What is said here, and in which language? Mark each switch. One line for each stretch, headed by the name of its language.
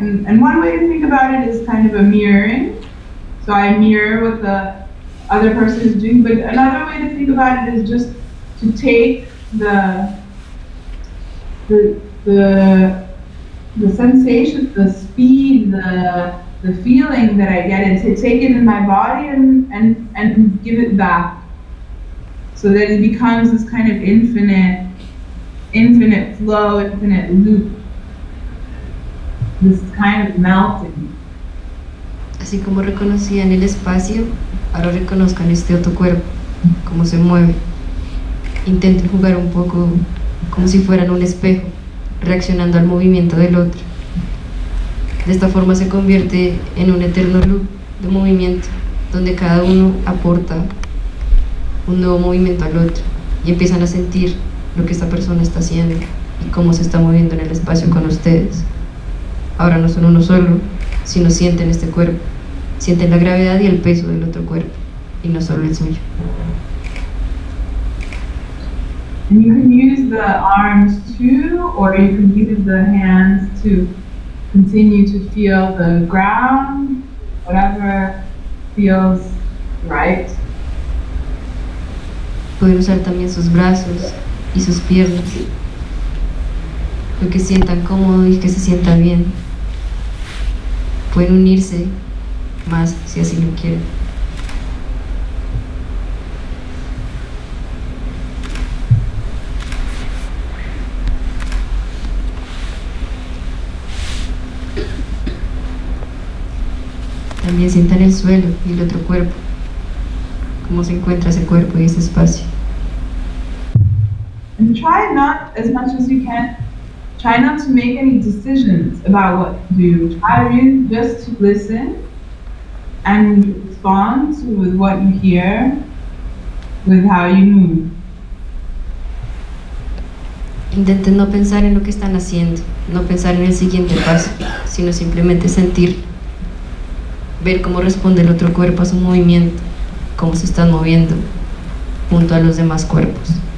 English: And one way to think about it is kind of a mirroring. So I mirror what the other person is doing, but another way to think about it is just to take the sensation, the speed, the feeling that I get, and to take it in my body and give it back. So that it becomes this kind of infinite flow, infinite loop. This kind of melting.
Spanish: Así como reconocían el espacio, ahora reconozcan este otro cuerpo, cómo se mueve. Intenten jugar un poco como si fueran un espejo, reaccionando al movimiento del otro. De esta forma se convierte en un eterno loop de movimiento, donde cada uno aporta un nuevo movimiento al otro y empiezan a sentir lo que esta persona está haciendo y cómo se está moviendo en el espacio con ustedes. Ahora no son uno solo, sino sienten este cuerpo, sienten la gravedad y el peso del otro cuerpo, y no solo el suyo.
English: And you can use the arms too, or you can use the hands to continue to feel the ground, whatever feels right.
Spanish: Pueden usar también sus brazos y sus piernas, lo que sientan cómodo y que se sienta bien. Pueden unirse más si así lo quieren. También sientan el suelo y el otro cuerpo. ¿Cómo se encuentra ese cuerpo y ese espacio?
English: And try not as much as you can. Try not to make any decisions about what to do. Try really just to listen and responds with what you hear, with how you move.
Spanish: Intente no pensar en lo que están haciendo, no pensar en el siguiente paso, sino simplemente sentir, ver cómo responde el otro cuerpo a su movimiento, cómo se están moviendo junto a los demás cuerpos.